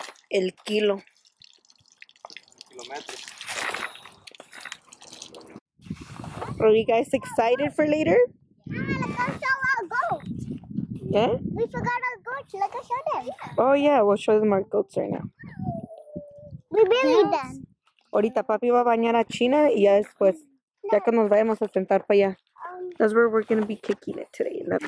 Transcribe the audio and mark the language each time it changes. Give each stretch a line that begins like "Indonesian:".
Spanish: El kilo. Kilometro.
English: Are you guys excited for later? Yeah, let's go show our goats. Yeah? We forgot our goats. Let us show them. Oh, yeah, we'll show them our goats right now. We really need them.
Spanish: Ahorita papi va a bañar a China y ya después. Ya que nos vayamos a sentar para allá.
English: That's where we're gonna be kicking it today.